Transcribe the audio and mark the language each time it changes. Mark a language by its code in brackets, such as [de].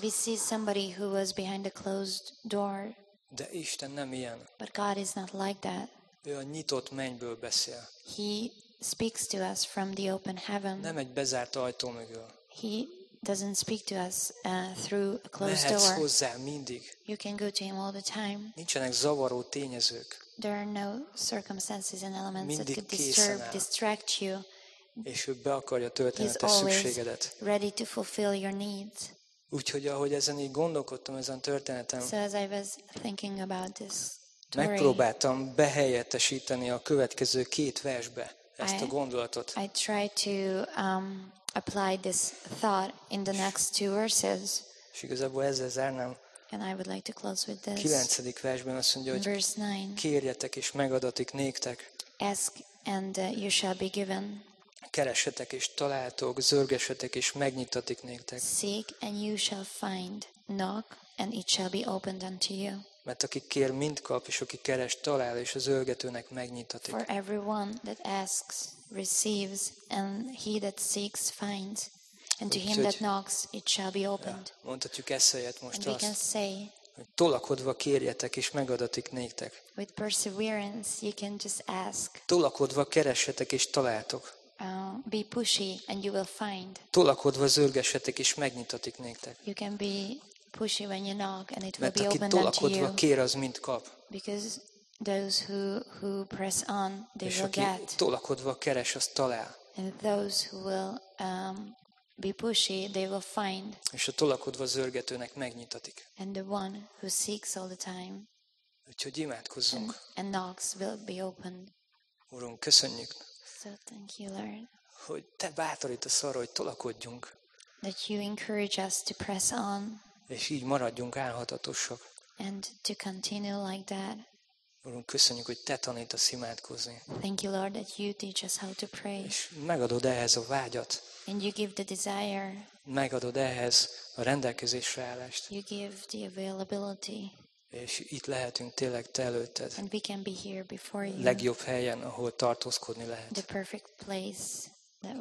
[en] We see somebody who was behind a closed door. [hu] De Isten nem ilyen. [en] But God is not like that. [hu] Ő a nyitott mennyből beszél. [en] He speaks to us from the open heaven. [hu] Nem egy bezárt ajtó mögül. [en] He doesn't speak to us through a closed door. [hu] Mehetsz hozzá mindig. [en] You can go to him all the time. [hu] Nincsenek zavaró tényezők. [en] There are no circumstances and elements [hu] mindig [en] that could disturb, distract you. [hu] És ő be akarja tölteni a szükségedet. [en] Ready to fulfill your needs. [hu] Úgyhogy ahogy ezen így gondolkodtam ezen történetem, [en] so as I was thinking about this story, [hu] megpróbáltam behelyettesíteni a következő két versbe ezt a gondolatot. [en] I tried to apply this thought in the next two verses. [hu] És igazából ezzel zárnám. [en] And I would like to close with this. [hu] 9. versben azt mondja, hogy [en] verse 9, [hu] kérjetek és megadatik néktek. [en] Ask and you shall be given. [hu] Keressetek és találtok, zörgessetek és megnyitatik néktek. [en] Seek and you shall find. Knock and it shall be opened unto you. [hu] Mert aki kér, mind kap, és aki keres, talál, és a zörgetőnek megnyitatik. [en] For everyone that asks, receives, and he that seeks, finds. And to him that knocks, it shall be opened. [hu] Ja, mondhatjuk eszeljet most [en] and [hu] azt. [en] Say, [hu] tolakodva kérjetek, és megadatik néktek. [en] With perseverance, you can just ask. [hu] Tolakodva keressetek, és találtok. [en] Be pushy and you will find. [hu] Tolakodva zörgessetek és megnyitatik néktek. [en] You can be pushy when you knock and it will be opened unto you. [hu] Tolakodva kér, az mind kap. [en] Because those who press on, they will get. [hu] Tolakodva keres, az talál. [en] And those who will be pushy, they will find. [hu] És a tolakodva zörgetőnek megnyitatik. [en] And the one who seeks all the time. [hu] Úgyhogy imádkozzunk. [en] And knocks will be opened. [hu] Urunk, köszönjük. [en] So thank you, Lord. [hu] Hogy te bátorítasz arra, hogy tolakodjunk. [en] That you encourage us to press on. [hu] És így maradjunk állhatatosak. [en] And to continue like that. [hu] Urunk, köszönjük, hogy te tanítasz imádkozni. [en] Thank you, Lord, that you teach us how to pray. [hu] És megadod ehhez a vágyat. [en] And you give the desire. [hu] Megadod ehhez a rendelkezésre állást. [en] You give the availability. [hu] És itt lehetünk tényleg te előtted. [en] And we can be here before you. [hu] Legjobb helyen, ahol tartózkodni lehet. [en] The perfect place that we